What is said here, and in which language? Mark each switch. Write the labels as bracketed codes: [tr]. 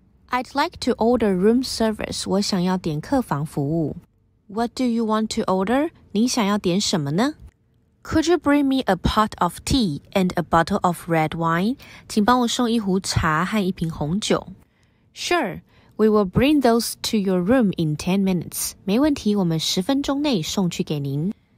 [en] I'd like to order room service. [zh] 我想要点客房服务。 [en] What do you want to order? [zh] 你想要点什么呢? [en] Could you bring me a pot of tea and a bottle of red wine? [zh] 请帮我送一壶茶和一瓶红酒。 [en] Sure. We will bring those to your room in 10 minutes. [zh] 没问题，我们十分钟内送去给您。